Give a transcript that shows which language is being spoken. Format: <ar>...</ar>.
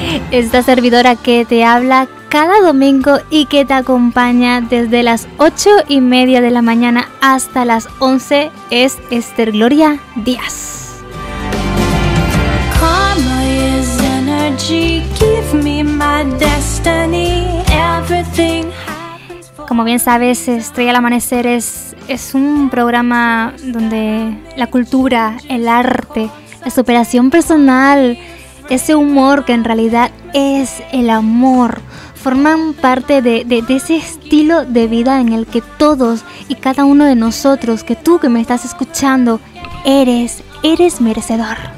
<es>Esta servidora que te habla cada domingo y que te acompaña desde las 8:30 de la mañana hasta las 11 es Esther Gloria Díaz.</es> <en>Karma is energy, give me my destiny, everything.</en> <es>Como bien sabes, Estrella al Amanecer es un programa donde la cultura, el arte, la superación personal, ese humor que en realidad es el amor, forman parte de ese estilo de vida en el que todos y cada uno de nosotros, que tú que me estás escuchando, eres merecedor.</es>